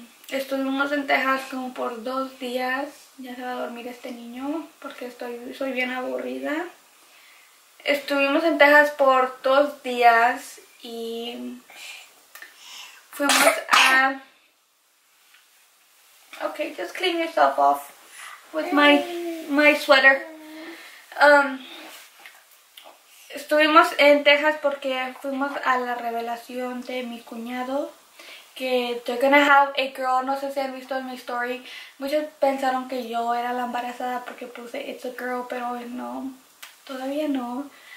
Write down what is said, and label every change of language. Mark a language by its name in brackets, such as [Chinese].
[Spanish] Estuvimos en Texas como por 2 días. Ya se va a dormir este niño porque soy bien aburrida. Estuvimos en Texas por 2 días y fuimos a... [English] Okay, just clean yourself off with my sweater. [Spanish] Estuvimos en Texas porque fuimos a la revelación de mi cuñado. Que [English] they're gonna have a girl. [Spanish] No sé si han visto en mi story. Muchos pensaron que yo era la embarazada porque puse [English] it's a girl, [Spanish] pero no. Todavía no.